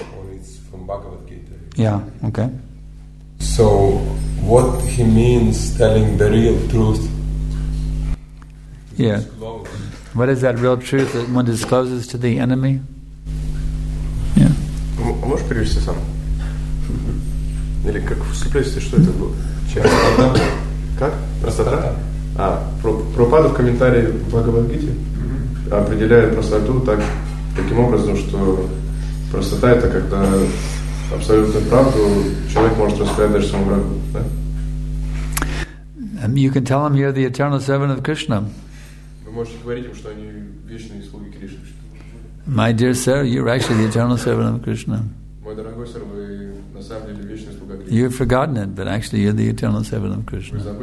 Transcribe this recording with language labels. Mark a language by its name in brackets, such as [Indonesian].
[English] Or it's from Bhagavad Gita. Yeah, okay. So what he means telling the real truth? Yeah. Disclose. What is that real truth that one discloses to the enemy? [Russian] А можешь перевести сам? Или как в суплесте, что это было? Простота. Как? Простота. А, Прабхупада в комментарии в Бхагавад-гите определяет простоту таким образом, что простота — это когда абсолютную правду человек может рассказать даже самому врагу. Да? [English] You can tell them you're the eternal servant of Krishna. [Russian] Вы можете говорить им, что они вечные слуги Кришны. [English] My dear sir, you're actually the eternal servant of Krishna. You've forgotten it, but actually you're the eternal servant of Krishna.